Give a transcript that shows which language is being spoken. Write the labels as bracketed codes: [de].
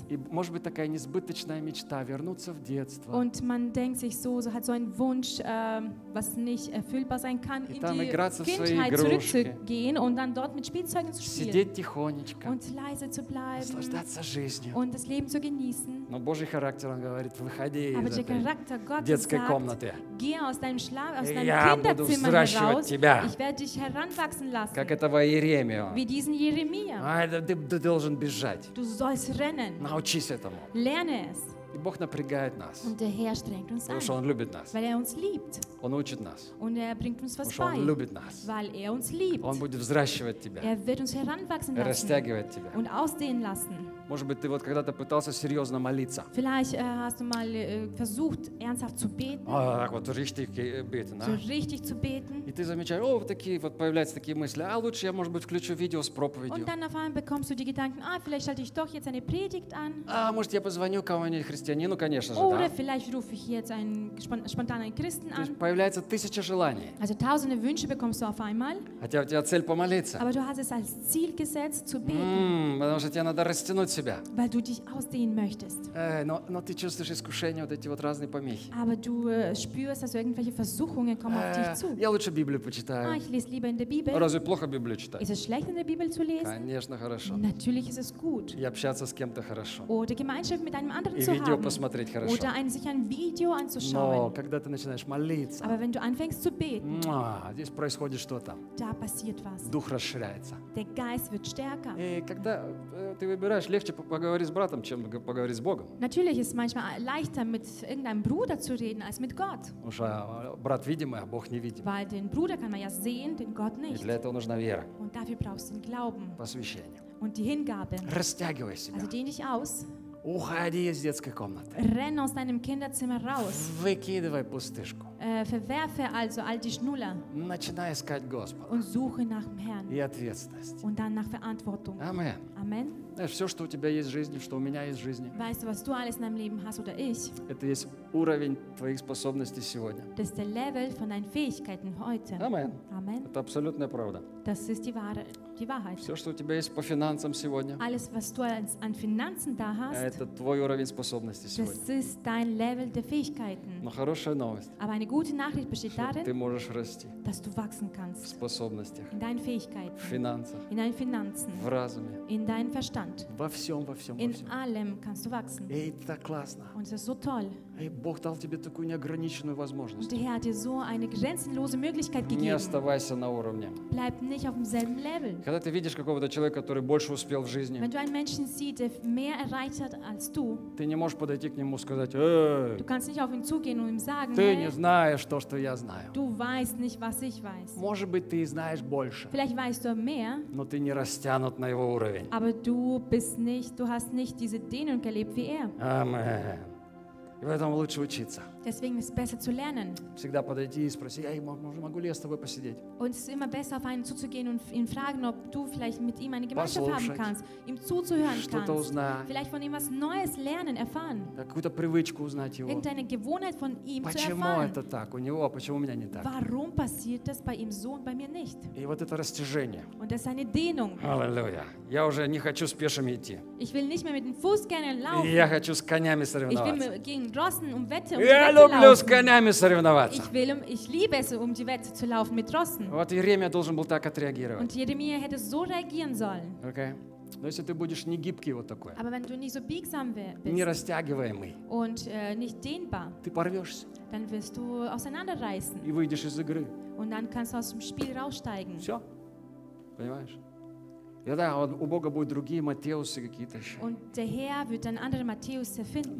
[ru] И может быть такая несбыточная мечта вернуться в детство. [de] Und man denkt sich so, so hat so einen Wunsch, was nicht erfüllbar sein kann, [ru] и [de] in die Kindheit zurückzugehen und dann dort mit Spielzeugen zu spielen. [ru] Сидеть тихонечко. [de] Und leise zu bleiben. [ru] Наслаждаться жизнью. [de] Und das Leben zu genießen. [ru] Но Божий характер, он говорит, выходи [de] Aber [ru] из этой [de] Charakter [ru] детской [de] sagt, [ru] комнаты. [de] Geh aus deinem Schlaf, aus deinem [ru] Я [de] Kinderzimmer [ru] буду взращивать тебя. [de] Ich werde dich heranwachsen lassen. [ru] Как этого Иеремия. [de] Wie diesen Jeremia. [ru] Ты должен бежать. [de] Du sollst rennen. [ru] Научись этому. [de] Lerne es. [ru] И Бог напрягает нас. [de] Und der Herr strengt uns an. [ru] Потому что Он любит нас. [de] Weil er uns liebt. [ru] Он учит нас. [de] Und er bringt uns was bei. [ru] Потому что Он любит нас. [de] Weil er uns liebt. [ru] Он будет взращивать тебя. [de] Er wird uns heranwachsen lassen. [ru] Растягивать тебя. [de] Und ausdehnen lassen. [ru] Может быть, ты вот когда-то пытался серьезно молиться. [de] Vielleicht hast du mal versucht, ernsthaft zu beten. [ru] Так вот, [de] richtig beten, So richtig zu beten. [ru] И ты замечаешь, вот такие вот появляются такие мысли, лучше я, может быть, включу видео с проповедью. [de] Und dann auf einmal bekommst du die Gedanken, vielleicht schalte ich doch jetzt eine Predigt an. [ru] Может, я позвоню кому-нибудь христианину, конечно же, [de] Oder [ru] да. [de] vielleicht rufe ich jetzt einen spontanen Christen an. [ru] То есть появляется тысяча желаний. [de] Also tausende Wünsche bekommst du auf einmal. [ru] Хотя у тебя цель помолиться. [de] Aber du hast es als Ziel gesetzt, zu beten. [ru] Потому что тебе надо растянуть себя. [de] Weil du dich ausdehnen möchtest. [ru] Но ты чувствуешь искушение, вот эти вот разные помехи. [de] Aber du spürst, dass irgendwelche Versuchungen kommen auf dich zu. [ru] Я лучше Библию почитаю. [de] Ich lese lieber in der Bibel. [ru] Разве плохо Библию читать? [de] Ist es schlecht, in der Bibel zu lesen? [ru] Конечно, хорошо. [de] Natürlich ist es gut. [ru] И общаться с кем-то хорошо. [de] Oder Gemeinschaft mit einem anderen [ru] И [de] zu haben. [ru] И видео посмотреть хорошо. [de] Oder sich ein Video anzuschauen. [ru] Но когда ты начинаешь молиться. [de] Aber wenn du anfängst zu beten. [ru] Здесь происходит что-то. [de] Da passiert was. [ru] Дух расширяется. [de] Der Geist wird stärker. [ru] И когда ты выбираешь легче поговорить с братом, чем поговорить с Богом. [de] Natürlich ist manchmal leichter mit irgendeinem Bruder zu reden als mit Gott. [ru] Потому что брат видимый, а Бог невидимый. [de] Weil den Bruder kann man ja sehen, den Gott nicht. [ru] И для этого нужна вера. [de] Und dafür brauchst du den Glauben. [ru] Посвящение. [de] Und die Hingabe. [ru] Растягивай себя. [de] Also dehn dich aus. [ru] Уходи из детской комнаты. [de] Renn aus deinem Kinderzimmer raus. [ru] Выкидывай пустышку. [de] Verwerfe also all die Schnuller. [ru] Начинай искать Господа. [de] Und suche nach dem Herrn. [ru] И ответственность. [de] Und dann nach Verantwortung. Amen. Amen. [ru] Знаешь, все, что у тебя есть в жизни, что у меня есть в жизни. [de] Weißt du, was du alles in deinem Leben hast oder ich? [ru] Это есть уровень твоих способностей сегодня. [de] Das ist der Level von deinen Fähigkeiten heute. Amen. Amen. [ru] Это абсолютная правда. [de] Das ist die wahre, die Wahrheit. [ru] Все, что у тебя есть по финансам сегодня. [de] Alles, was du an Finanzen da hast. [ru] Это твой уровень способностей сегодня. [de] Das ist dein Level der Fähigkeiten. [ru] Но хорошая новость. [de] Aber eine gute Nachricht besteht darin, [ru] ты можешь расти. [de] Dass du wachsen kannst. [ru] В способностях. [de] In deinen Fähigkeiten. [ru] В финансах. [de] In deinen Finanzen. [ru] В разуме. [de] In deinem Verstand. [ru] Во всем, во всем, [de] In [ru] во всем. [de] Allem kannst du wachsen. [ru] Это классно. [de] Und es ist so toll. [ru] Бог дал тебе такую неограниченную возможность. [de] Der Herr hat dir so eine grenzenlose Möglichkeit gegeben. [ru] Не оставайся на уровне. [de] Bleib nicht auf demselben Level. [ru] Когда ты видишь какого-то человека, который больше успел в жизни, [de] wenn du einen Menschen siehst, der mehr erreicht hat als du, [ru] ты не можешь подойти к нему и сказать: [de] Du kannst nicht auf ihn zugehen und ihm sagen: [ru] Ты не знаешь то, что я знаю. [de] Du weißt nicht, was ich weiß. [ru] Может быть, ты знаешь больше. [de] Vielleicht weißt du mehr. [ru] Но ты не растянут на его уровень. [de] Aber du bist nicht, du hast nicht diese Dehnung erlebt wie er. Amen. [ru] И поэтому лучше учиться. [de] Deswegen ist es besser zu lernen. [ru] Всегда подойди и спроси: «Эй, могу ли я с тобой посидеть?» [de] Und es ist immer besser, auf einen zuzugehen und ihn fragen, ob du vielleicht mit ihm eine Gemeinschaft [ru] Послушать, [de] haben kannst, ihm zuzuhören [ru] что-то [de] kannst, [ru] узнать, [de] vielleicht von ihm was Neues lernen, erfahren, [ru] какую-то привычку узнать его, [de] irgendeine Gewohnheit von ihm [ru] почему [de] zu erfahren. [ru] Это так у него, а почему у меня не так? [de] Warum passiert das bei ihm so und bei mir nicht? [ru] И вот это растяжение. [de] Und das ist eine Dehnung. Halleluja. [ru] Я уже не хочу с пешими идти. [de] Ich will nicht mehr mit den Fußgängern laufen. [ru] Я хочу с конями соревноваться. [de] Ich will gegen Rossen um Wette laufen. [ru] Я люблю с конями соревноваться. [de] Ich liebe es, die Wette zu laufen mit Rossen. [ru] Вот Иеремия должен был так отреагировать. [de] Und Jeremia hätte so reagieren sollen. Okay. [ru] Но если ты будешь негибкий вот такой, [de] aber wenn du nicht so biegsam bist, [ru] не растягиваемый, [de] und nicht dehnbar, [ru] ты порвешься. [de] Dann wirst du auseinanderreißen. [ru] И выйдешь из игры. [de] Und dann kannst du aus dem Spiel raussteigen. [ru] Все. Понимаешь? [de] Ja, [ru] да, у Бога будут другие Матеусы какие-то еще. [de] Und der Herr wird dann andere Matthäuse finden.